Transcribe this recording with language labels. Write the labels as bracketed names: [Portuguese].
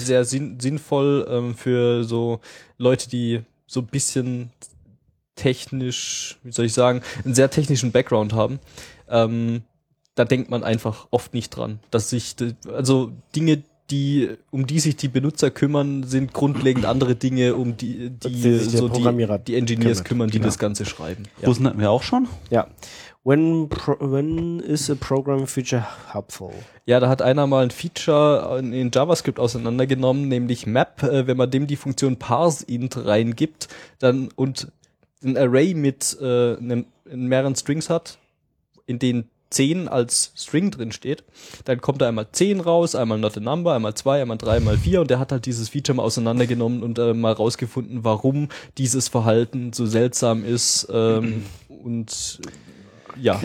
[German] Sehr sinnvoll für so Leute, die so ein bisschen technisch, wie soll ich sagen, einen sehr technischen Background haben. Da denkt man einfach oft nicht dran, dass sich, also Dinge, die, um die sich die Benutzer kümmern, sind grundlegend andere Dinge, um die Engineers kümmern, die das Ganze schreiben. Wussten hatten wir auch schon? Ja. [English] When is a program feature helpful? [German] Ja, da hat einer mal ein Feature in JavaScript auseinandergenommen, nämlich map, wenn man dem die Funktion parseInt reingibt, dann, und ein Array mit in mehreren Strings hat, in denen 10 als String drin steht, dann kommt da einmal 10 raus, einmal not a number, einmal 2, einmal 3, einmal 4 und der hat halt dieses Feature mal auseinandergenommen und mal rausgefunden, warum dieses Verhalten so seltsam ist und ja.